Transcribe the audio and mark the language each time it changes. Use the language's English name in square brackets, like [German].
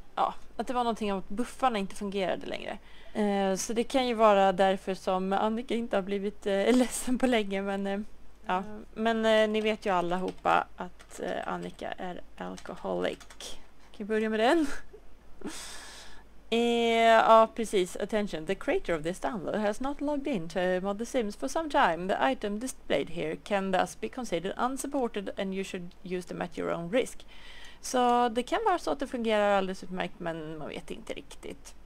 [Swedish] Ja, att det var någonting om att buffarna inte fungerade längre. Så det kan ju vara därför som Annika inte har blivit ledsen på länge. Men, ja. Men ni vet ju allihopa att Annika är [English] alcoholic. [Swedish] Kan vi börja med den? Ja, precis. [English] Attention. The creator of this download has not logged in to Mod The Sims for some time. The item displayed here can thus be considered unsupported and you should use them at your own risk. [Swedish] Så det kan vara så att det fungerar alldeles utmärkt, men man vet inte riktigt.